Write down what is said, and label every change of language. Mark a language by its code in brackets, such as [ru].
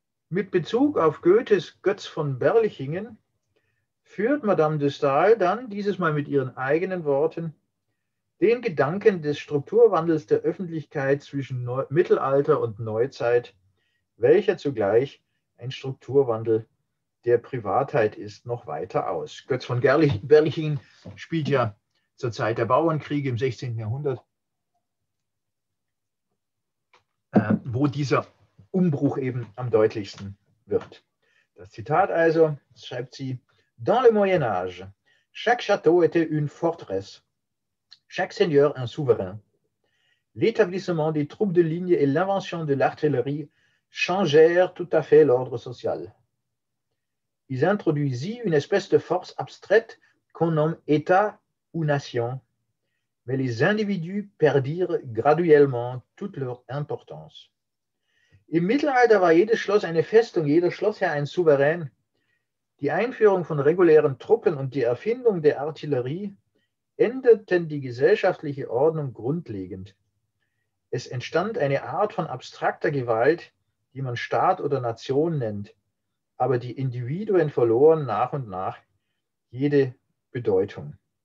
[de] Mit Bezug auf Goethes Götz von Berlichingen führt Madame de Staël dann, dieses Mal mit ihren eigenen Worten, den Gedanken des Strukturwandels der Öffentlichkeit zwischen Mittelalter und Neuzeit, welcher zugleich ein Strukturwandel der Privatheit ist, noch weiter aus. Götz von Berlichingen spielt ja zur Zeit der Bauernkriege im 16. Jahrhundert, wo dieser Umbruch eben am deutlichsten wird. Das Zitat also, schreibt sie, [fr] Dans le Moyen Âge, chaque château était une forteresse, chaque seigneur un souverain. L'établissement des troupes de ligne et l'invention de l'artillerie changèrent tout à fait l'ordre social. Ils introduisirent une espèce de force abstraite qu'on nomme État ou nation, mais les individus perdirent graduellement toute leur importance. [de] Im Mittelalter war jedes Schloss eine Festung, jeder Schlossherr ein Souverän. Die Einführung von regulären Truppen und die Erfindung der Artillerie änderten die gesellschaftliche Ordnung grundlegend. Es entstand eine Art von abstrakter Gewalt, die man Staat oder Nation nennt, aber die Individuen verloren nach und nach jede Bedeutung.